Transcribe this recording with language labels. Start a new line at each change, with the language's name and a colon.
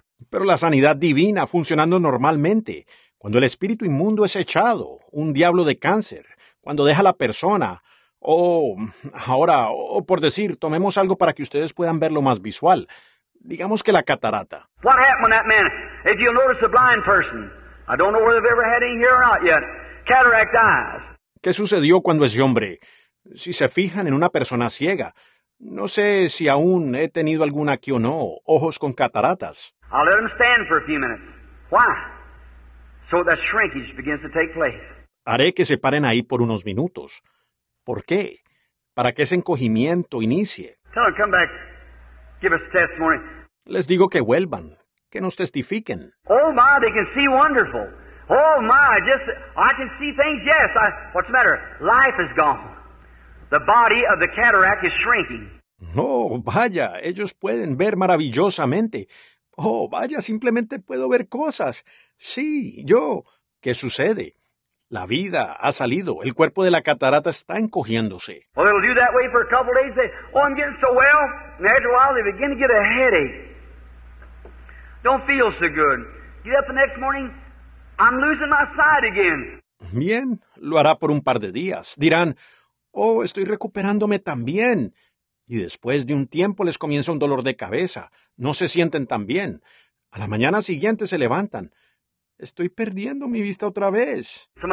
Spanish: Pero la sanidad divina funcionando normalmente, cuando el espíritu inmundo es echado, un diablo de cáncer, cuando deja a la persona, por decir, tomemos algo para que ustedes puedan verlo más visual, digamos que la catarata.
English: What happened to that man? If you'll notice a blind person, I don't know whether they've ever had any here or not yet, cataract eyes.
Spanish: ¿Qué sucedió cuando ese hombre, si se fijan en una persona ciega? No sé si aún he tenido alguna aquí o no, ojos con cataratas.
English: I'll let them stand for a few minutes. Why? So that shrinkage begins to take place.
Spanish: Haré que se paren ahí por unos minutos. ¿Por qué? Para que ese encogimiento inicie.
English: Tell them, come back. Give us a testimony.
Spanish: Les digo que vuelvan, que nos testifiquen.
English: Oh my, they can see wonderful. Oh my, just, I can see things, yes. What's the matter? Life is gone. The body of the cataract is shrinking.
Spanish: Oh, vaya, ellos pueden ver maravillosamente. Oh, vaya, simplemente puedo ver cosas. Sí, yo. ¿Qué sucede? La vida ha salido. El cuerpo de la catarata está encogiéndose.
English: Well, they'll do that way for a couple of days. They say, oh, I'm getting so well. And after a while, they begin to get a headache. Don't feel so good. Get up the next morning, I'm losing my sight again.
Spanish: Bien, lo hará por un par de días. Dirán, oh, estoy recuperándome también. Y después de un tiempo les comienza un dolor de cabeza. No se sienten tan bien. A la mañana siguiente se levantan. Estoy perdiendo mi vista otra vez.